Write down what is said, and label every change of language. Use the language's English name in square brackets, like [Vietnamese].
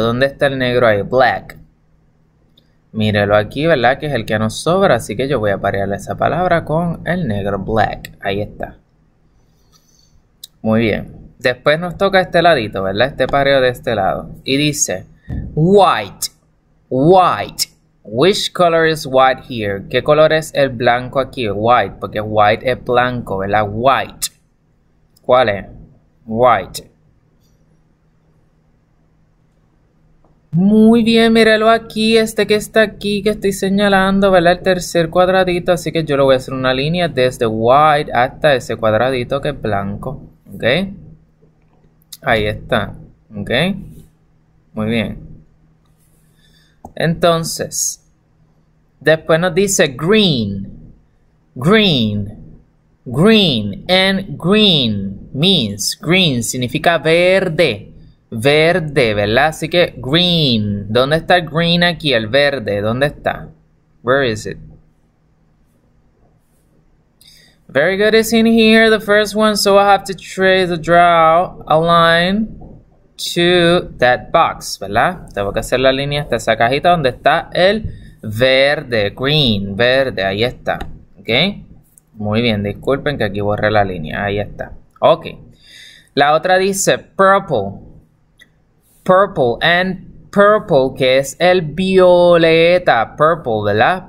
[Spanish] ¿Dónde está el negro ahí? Black. Mírelo aquí, ¿verdad? Que es el que nos sobra, así que yo voy a parear esa palabra con el negro, black. Ahí está. Muy bien. Después nos toca este ladito, ¿verdad? Este pareo de este lado. Y dice, white, white. [English] Which color is white here? [Spanish] ¿Qué color es el blanco aquí? White, porque white es blanco, ¿verdad? White. ¿Cuál es? White. Muy bien, míralo aquí, este que está aquí, que estoy señalando, ¿verdad? El tercer cuadradito, así que yo le voy a hacer una línea desde white hasta ese cuadradito que es blanco, ¿ok? Ahí está, ¿ok? Muy bien. Entonces, después nos dice green, green, green, [English] and green means green, [Spanish] significa verde, verde, ¿verdad? Así que green, ¿dónde está el green aquí? El verde, ¿dónde está? [English] Where is it? Very good, it's in here, the first one, so I have to trace the draw a line to that box, [Spanish] ¿verdad? Tengo que hacer la línea hasta esa cajita donde está el verde, green, verde, ahí está. ¿Ok? Muy bien, disculpen que aquí borré la línea, ahí está. Ok. La otra dice purple. Purple and purple, que es el violeta. Purple, ¿verdad?